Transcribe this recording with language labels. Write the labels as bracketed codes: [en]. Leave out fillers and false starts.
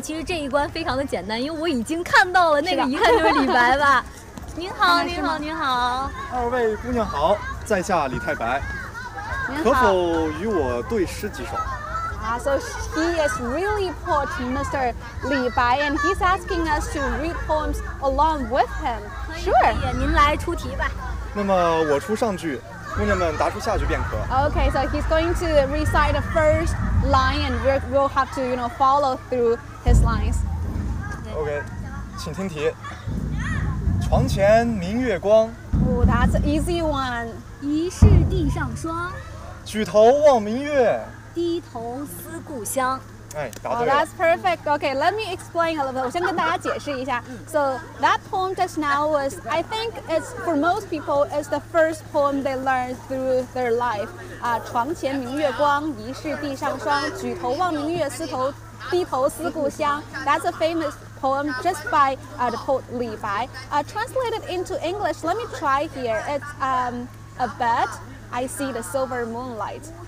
[zh] 其实这一关非常的简单，因为我已经看到了那个，一看就是李白吧。您好，您好，您好。二位姑娘好，在下李太白。可否与我对诗几首？ [en] So he is really put Mr. Li Bai, and he's asking us to read poems along with him. Sure. [zh] 您来出题吧。那么我出上句，姑娘们答出下句便可。 [en] Okay, so he's going to recite the first line, and we'll have to, you know, follow through his lines. Okay, [zh] 请听题。床前明月光。 [en] Oh, that's an easy one. [zh] 疑是地上霜。举头望明月。低头思故乡。哎，答对 [en] 了。Oh, that's perfect. Okay, let me explain a little bit. [zh] 我先跟大家解释一下。 [en] So that poem just now was, I think it's for most people, it's the first poem they learned through their life. [zh] 床前明月光，疑是地上霜。举头望明月，低头思故乡。 [en] That's a famous poem just by the poet Li Bai. Translated into English, let me try here. It's a bed, I see the silver moonlight.